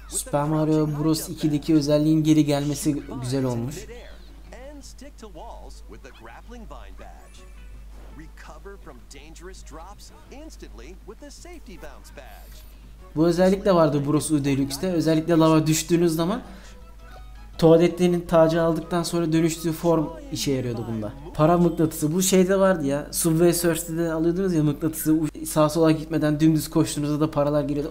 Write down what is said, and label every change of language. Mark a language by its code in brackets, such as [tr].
[tr] Super Mario Bros 2'deki özelliğin geri gelmesi güzel olmuş. [en] Stick to walls with the grappling vine badge. Recover from dangerous drops instantly with the safety bounce badge. [tr] Bu özellik de vardı Bros. U Deluxe'de. Özellikle lava düştüğünüz zaman tuvaletlerinin tacı aldıktan sonra dönüştüğü form işe yarıyordu bunda. Para mıknatısı. Bu şeyde vardı ya. Subway Surfers'te de alıyordunuz ya mıknatısı. Sağa sola gitmeden dümdüz koştuğunuzda da paralar geliyordu.